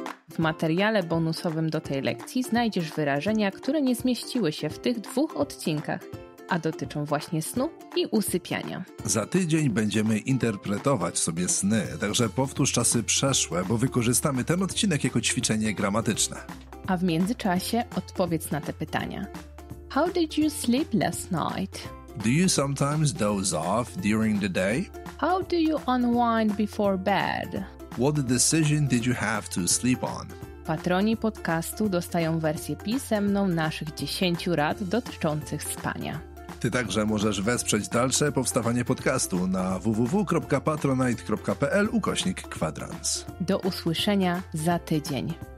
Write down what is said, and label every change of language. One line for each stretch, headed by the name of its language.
Polish: W materiale bonusowym do tej lekcji znajdziesz wyrażenia, które nie zmieściły się w tych dwóch odcinkach, a dotyczą właśnie snu i usypiania. Za tydzień będziemy interpretować sobie sny, także powtórz czasy przeszłe, bo wykorzystamy ten odcinek jako ćwiczenie gramatyczne. A w międzyczasie odpowiedz na te pytania.
English: How did you sleep last night? Do you sometimes doze off during the day? How do you unwind before bed? What decision did you have to sleep on?
Polish: Patroni podcastu dostają wersję pisemną naszych 10 rad dotyczących spania. Ty także możesz wesprzeć dalsze powstawanie podcastu na www.patronite.pl/kwadrans. Do usłyszenia za tydzień.